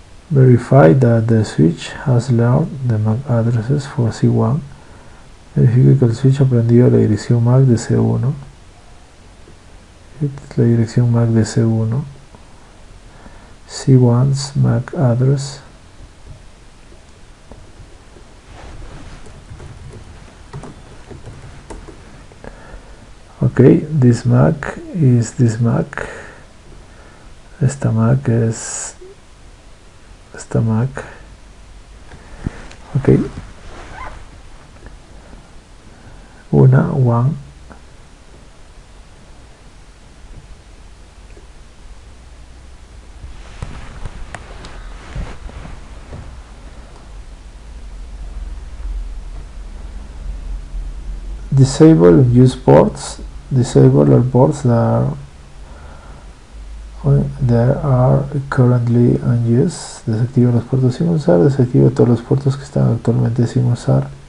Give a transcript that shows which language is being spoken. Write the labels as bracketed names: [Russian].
[English] Verify that the switch has learned the MAC addresses for C1. [Spanish] Verifique que el switch aprendió la dirección MAC de C1. Hit la dirección MAC de C1. [English] C1's MAC address. Okay, this MAC is this MAC. [Spanish] Esta MAC es esta MAC. [English] Okay. [Spanish] Una, [English] one. disable use ports, disable all ports that are currently unused. [Spanish] Desactiva los puertos sin usar, desactiva todos los puertos que están actualmente sin usar.